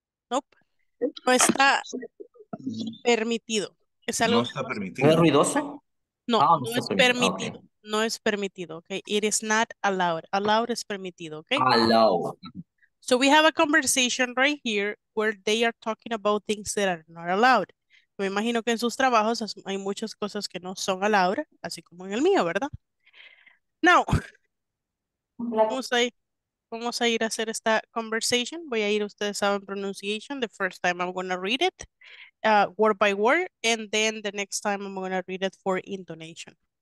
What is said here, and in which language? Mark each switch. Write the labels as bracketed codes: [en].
[es] Nope. No está permitido. Es algo no está permitido. ¿Es ruidoso? No, no es permitido. Okay. No es permitido, okay? [en] It is not allowed. [es] Allowed es permitido, okay? [en] Allowed. So we have a conversation right here where they are talking about things that are not allowed. [es] Me imagino que en sus trabajos hay muchas cosas que no son allowed, así como en el mío, ¿verdad? Now, vamos a ir a hacer esta conversation. Voy a ir, ustedes saben [en] pronunciation, the first time I'm going to read it, word by word, and then the next time I'm going to read it for intonation.